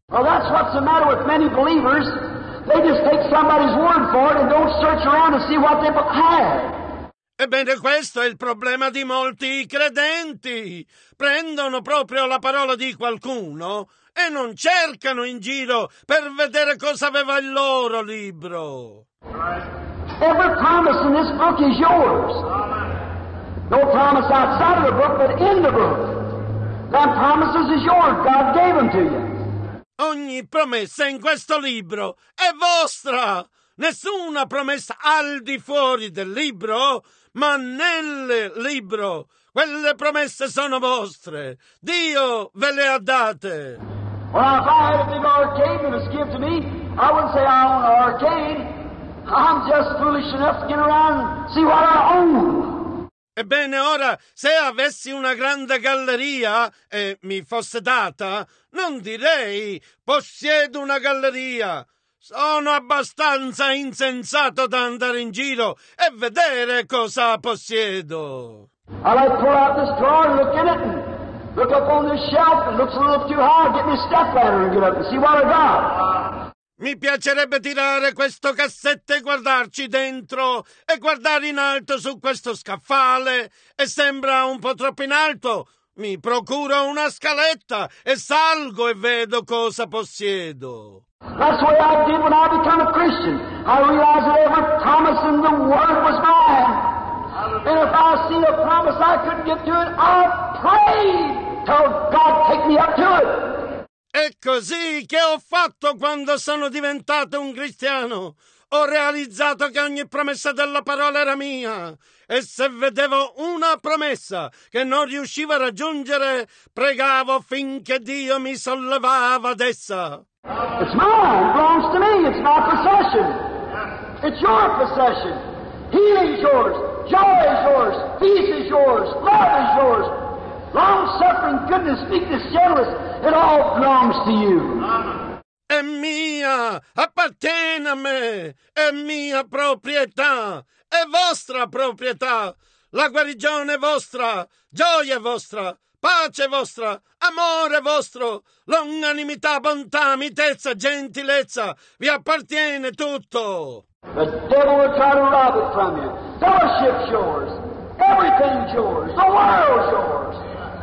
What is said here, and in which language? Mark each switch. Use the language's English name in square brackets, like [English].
[English] Well, that's what's the matter with many believers. They just take somebody's word for it and don't search around and see what they have. [Italian] Ebbene, questo è il problema di molti credenti. Prendono proprio la parola di qualcuno e non cercano in giro per vedere cosa aveva il loro libro. [English] Every promise in this book is yours. No promise outside of the book, but in the book. That promise is yours. God gave them to you. [Italian] Ogni promessa in questo libro è vostra. Nessuna promessa al di fuori del libro, ma nel libro. Quelle promesse sono vostre. Dio ve le ha date. [English] Well, if I had a big arcade and it was given to me, I wouldn't say I own an arcade. I'm just foolish enough to get around and see what I own. [Italian] Ebbene, ora, se avessi una grande galleria e mi fosse data, non direi possiedo una galleria. Sono abbastanza insensato da andare in giro e vedere cosa possiedo. [English] I like pull out this drawer and look in it and look up on this shelf. It looks a little too high. Get me a stepladder and get up and see what I got. [Italian] Mi piacerebbe tirare questo cassetto e guardarci dentro e guardare in alto su questo scaffale e sembra un po' troppo in alto. Mi procuro una scaletta e salgo e vedo cosa possiedo. [English] That's what I did when I became a Christian. I realized that every promise in the world was mine. And if I see a promise I couldn't get to it, I pray to God take me up to it. [Italian] È così che ho fatto quando sono diventato un cristiano. Ho realizzato che ogni promessa della parola era mia. E se vedevo una promessa che non riuscivo a raggiungere, pregavo finché Dio mi sollevava ad essa. [English] It's mine, it belongs to me, it's my possession. It's your possession. Healing is yours, joy is yours, peace is yours, love is yours. Long-suffering, goodness, meekness, gentleness, it all belongs to you. [Italian] È mia, appartiene a me, è mia proprietà, è vostra proprietà. La guarigione è vostra, gioia è vostra, pace è vostra, amore è vostro, longanimità, bontà, mitezza, gentilezza, vi appartiene tutto. [English] The devil will try to rob it from you. Fellowship's yours, everything's yours, the world's yours.